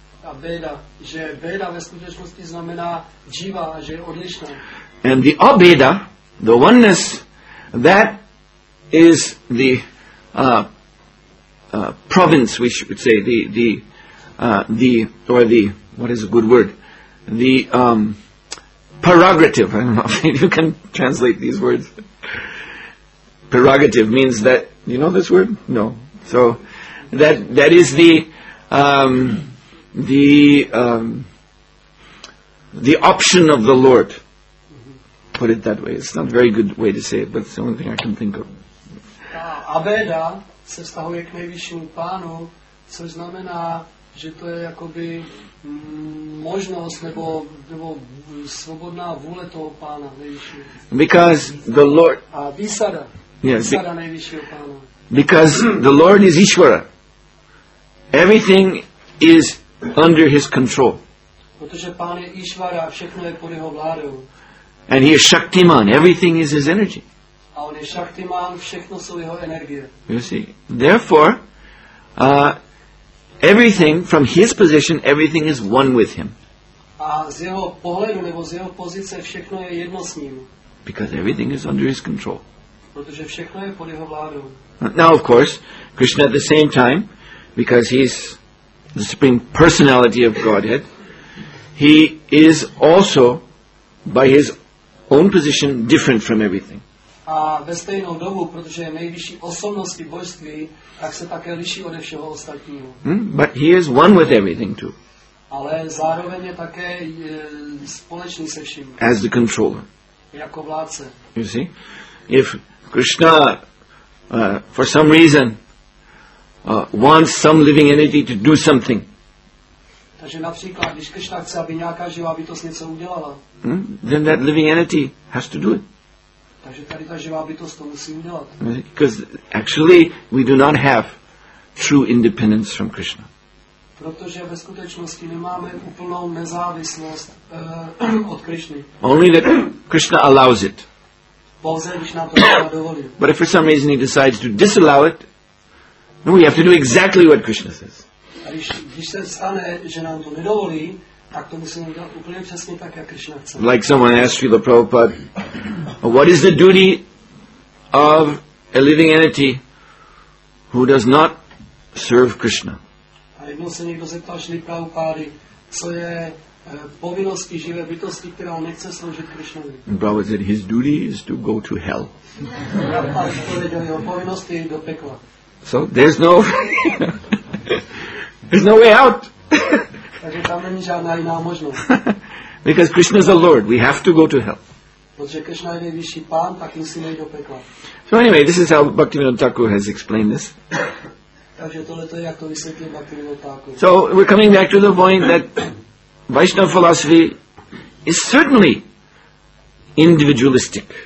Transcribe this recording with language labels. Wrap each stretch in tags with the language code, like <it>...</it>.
<cs>A Veda, že Veda ve skutečnosti znamená jiva, že je odlišná.</cs> <en>And the Abheda, the oneness, that is the province, we should say, the prerogative, I don't know if you can translate these words. Prerogative means that, you know this word? No. So, that is the option of the Lord. Put it that way. It's not a very good way to say it, but it's the only thing I can think of.</en> <cs>Abheda se vztahuje k nejvyššímu pánu, což znamená, že to je jakoby možnost nebo svobodná vůle toho pána nejvyššího.</cs> <en>Because the Lord.</en> <cs>A výsada. Yes. Výsada nejvyššího pána.</cs> <en>Because the Lord is Ishvara. Everything is under His control.</en> <cs>Protože pán je Ishvara, všechno je pod jeho vládou.</cs> <en>And He is Shaktiman. Everything is His energy.</en> <cs>A on je Shaktiman, všechno jsou jeho energie.</cs> <en>You see. Therefore, everything from His position, everything is one with Him.</en> <cs>A z jeho pohledu nebo z jeho pozice všechno je jedno s ním.</cs> <en>Because everything is under His control.</en> <cs>Protože všechno je pod jeho vládou.</cs> <en>Now, of course, Krishna at the same time, because He is the Supreme Personality of Godhead, He is also, by His own position, different from everything.</en> <cs>A ve stejnou dobu, protože je nejvyšší osobnosti božství, tak se také liší ode všeho ostatního.</cs> <en>But He is one with everything too.</en> <cs>Ale zároveň je také společný se vším.</cs> <en>As the controller.</en> <cs>Jako vládce.</cs> <en>You see? If Krishna, for some reason, wants some living entity to do something.</en> <cs>Takže například, když Krishna chce, aby nějaká živá bytost něco udělala.</cs> <en>Then that living entity has to do it.</en> <cs>Takže tady ta živá bytost to musí udělat.</cs> <en>Because actually we do not have true independence from Krishna.</en> <cs>Protože ve skutečnosti nemáme úplnou nezávislost od Krishny.</cs> <en>Only that Krishna allows it.</en> <cs>Pouze když nám to Krishna dovolí.</cs> <en>But if for some reason He decides to disallow it, then we have to do exactly what Krishna says.</en> <cs>A když se stane, že nám to nedovolí, tak to musíme udělat úplně přesně tak, jak Krishna chce.</cs> <en>Like someone asked Srila Prabhupada, what is the duty of a living entity who does not serve Krishna?</en> <cs>A jednou se někdo zeptal Srila Prabhupady, co je povinnosti živé bytosti, která nechce sloužit Krishnovi.</cs> <en>Prabhupada said, his duty is to go to hell.</en> <cs>A jeho povinnost je do pekla.</cs> <en>So there's no there's no way out.</en> <cs>Takže tam není žádná jiná možnost.</cs> <en>Because Krishna is the Lord, we have to go to hell.</en> <cs>Protože Krishna je nejvyšší pán, tak musíme jít do pekla.</cs> <en>So anyway, this is how Bhaktivinoda Thakur has explained this.</en> <cs>Takže tohle to je, jak to vysvětlil Bhaktivinoda Thakur.</cs> <en>So we're coming back to the point that Vaishnava philosophy is certainly individualistic.</en>